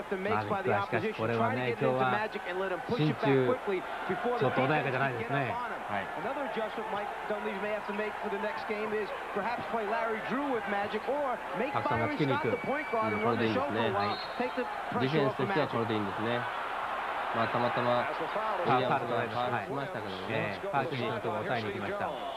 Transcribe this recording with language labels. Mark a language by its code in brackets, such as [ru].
[ja] マジックはしかしこれはね、今日は心中ちょっと穏やかじゃないですね。 [en] Another adjustment Mike Dunleavy may have to make for the next game is perhaps play Larry Drew with Magic or make Byron Scott the point guard and run the show for a while. [ja] ディフェンスとしてはこれでいいんですね。まあ、たまたまウィリアムズがファールしましたけどね、パーキンソンとか抑えに行きました。